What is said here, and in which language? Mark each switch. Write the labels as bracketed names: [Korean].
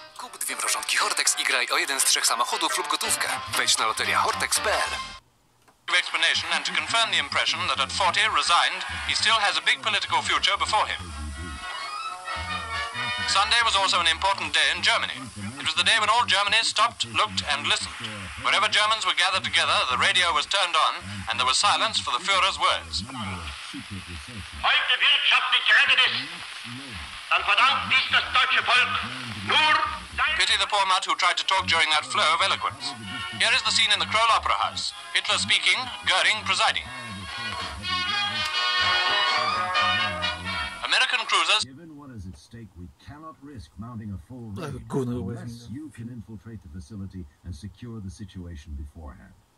[Polish] Kup dwie mrożonki Hortex i graj o jeden z trzech samochodów lub gotówkę. Wejdź na loteria Hortex.pl. [English] Explanation and to confirm the impression that at 40 resigned, he still has a big political future before him. Sunday was also an important day in Germany. It was the day when all Germany stopped, looked, and listened. Wherever Germans were gathered together, the radio was turned on, and there was silence for the Führer's words. [German] Heute wirtschaftlich gerettet ist, dann verdankt dies das deutsche Volk nur... [English] Pity the poor mutt who tried to talk during that flow of eloquence. Here is the scene in the Kroll Opera House. Hitler speaking, Göring presiding. American cruisers... stake, we cannot risk mounting a full unless you can infiltrate the facility and secure the situation beforehand.